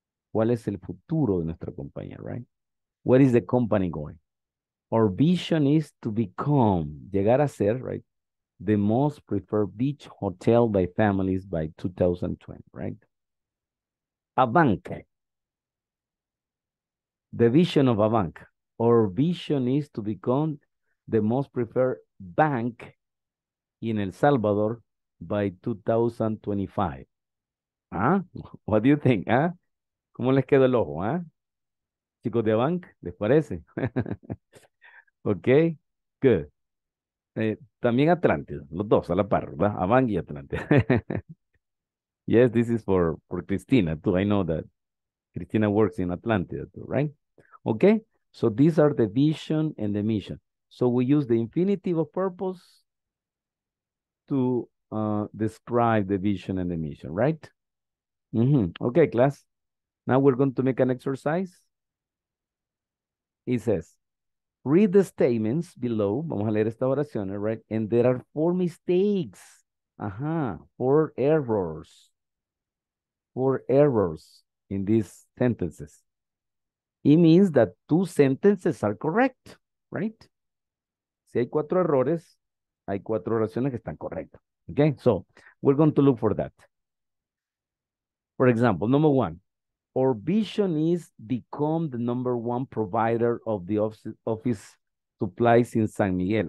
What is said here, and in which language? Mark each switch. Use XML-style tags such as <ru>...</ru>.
<es>¿Cuál es el futuro de nuestra compañía, right?</es> <en>Where is the company going? Our vision is to become,</en> <es>llegar a ser,</es> <en>right? The most preferred beach hotel by families by 2020, right? Avanc. The vision of Avanc. Our vision is to become the most preferred bank in El Salvador by 2025.</en> <es>¿Ah?</es> <en>What do you think?</en> <es>¿Ah? ¿Cómo les queda el ojo? ¿Ah? Chicos de Avanc, ¿les parece?</es> <en>Okay, good.</en> <es>También Atlantis, los dos a la par, ¿verdad? Avanc y Atlantis.</es> <en>Yes, this is for Cristina too. I know that Cristina works in Atlantis too, right? Okay, so these are the vision and the mission. So we use the infinitive of purpose to describe the vision and the mission, right? Mm-hmm. Okay, class. Now we're going to make an exercise. It says, read the statements below.</en> <es>Vamos a leer esta oración,</es> <en>right? And there are four mistakes. Ajá, four errors. Four errors in these sentences. It means that two sentences are correct, right?</en> <es>Si hay cuatro errores, hay cuatro oraciones que están correctas.</es> <en>Okay, so we're going to look for that. For example, number one, our vision is become the number one provider of the office supplies in San Miguel.</en>